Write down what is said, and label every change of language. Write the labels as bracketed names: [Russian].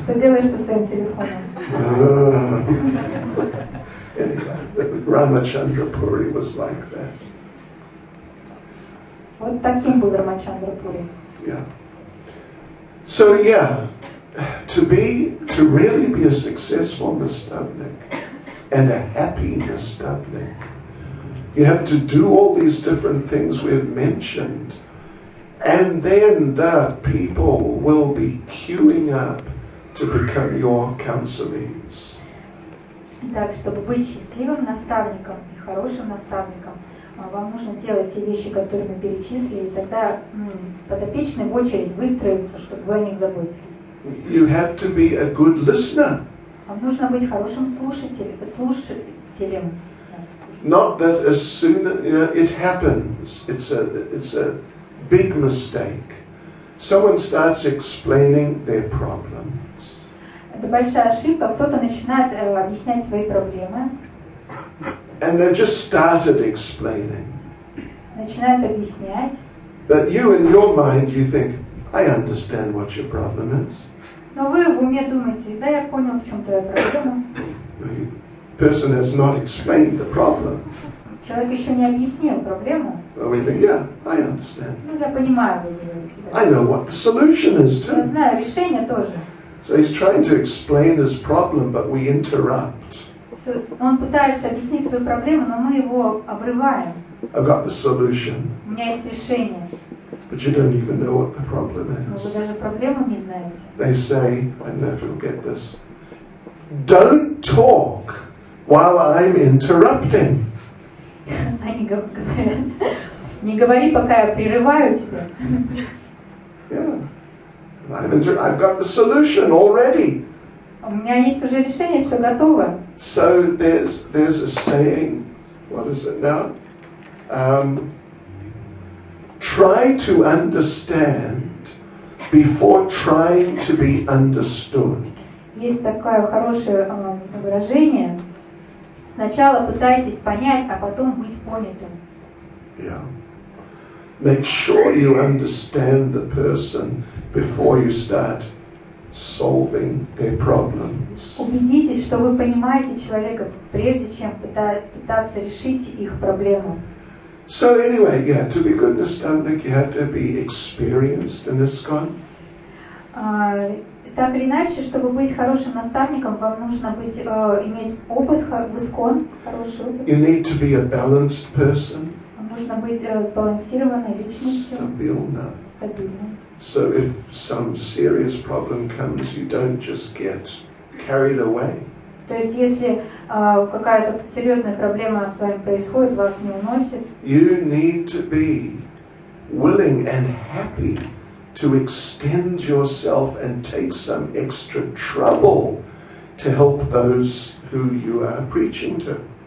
[Russian] Что делаешь со своим телефоном? [English] Anyway, Ramachandra Puri was like that. [Russian] Вот таким был Рамачандра Пури. [English] Yeah. So yeah, to really be a successful nastavnik and a happy nastavnik, you have to do all these different things we've mentioned, and then the people will be queuing up to become your counselees. [Russian] Так, чтобы быть счастливым наставником и хорошим наставником. Вам нужно делать те вещи, которые мы перечислили, и тогда подопечные в очередь выстроятся, чтобы вы о них заботились. [English] You have to be a good listener. [Russian] Вам нужно быть хорошим слушателем. [English] Not that as soon as, you know, it happens, it's a big mistake. Someone starts explaining their problems. [Russian] Это большая ошибка. Кто-то начинает объяснять свои проблемы. [English] And they just started explaining. [Russian] Начинает объяснять. [English] But you, in your mind, you think, I understand what your problem is. [Russian] Но вы в уме думаете, да, я понял, в чем твоя проблема. [English] Person has not explained the problem. [Russian] Человек еще не объяснил проблему. [English] Well, we think, yeah, I understand. [Russian] Ну, я понимаю, вы говорите. [English] I know what the solution is too. [Russian] Я знаю решение тоже. [English] So he's trying to explain his problem, but we interrupt. [Russian] Он пытается объяснить свою проблему, но мы его обрываем. [English] I got the solution. [Russian] У меня есть решение. [English] But you don't even know what the problem is. [Russian] Но вы даже проблему не знаете. [English] They say, I never forget this. Don't talk while I'm interrupting. [Russian] Они говорят, не говори, пока я прерываю тебя. [English] Yeah. I've got the solution already. [Russian] У меня есть уже решение, все готово. [English] So there's a saying, what is it now? Try to understand before trying to be understood. [Russian] Есть такое хорошее выражение. Сначала пытайтесь понять, а потом быть понятым. [English] Yeah. Make sure you understand the person before you start solving their problems. [Russian] Убедитесь, что вы понимаете человека, прежде чем пытаться решить их проблему. [English] So anyway, yeah, to be a good nastavnik, you have to be experienced in ISKCON. [Russian] так или иначе, чтобы быть хорошим наставником, вам нужно иметь опыт в ИСККОН, хороший опыт. [English] You need to be a balanced person. [Russian] Нужно быть сбалансированной личностью. Стабильно. Стабильно. [English] So if some serious problem comes, you don't just get carried away. [Russian] То есть если какая-то серьезная проблема с вами происходит, вас не уносит. [English] You need to be willing and happy to extend yourself and take some extra trouble to help those who you are preaching to.